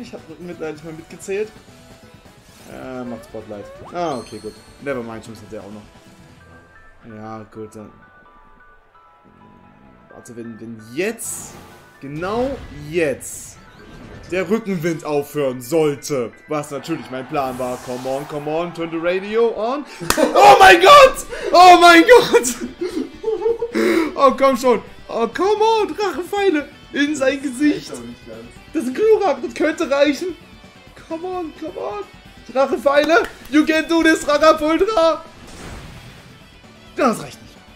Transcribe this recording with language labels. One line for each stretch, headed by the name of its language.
German: Ich habe Rückenmitleid nicht mehr mitgezählt. Macht Spotlight. Ah, okay, gut.
English: Nevermind,
German: Chance hat der auch noch. Ja, gut, dann. Warte, wenn jetzt, genau jetzt, der Rückenwind aufhören sollte, was natürlich mein Plan war.
English: Come on, turn the radio on.
German: Oh mein Gott! Oh mein Gott! Oh, komm schon.
English: Oh, come on,
German: Drachenpfeile in sein Gesicht. Das ist ein Glurak, das könnte reichen.
English: Come on, come on. Drachenpfeile, you can do this, Ragapultra!
German: Das reicht nicht.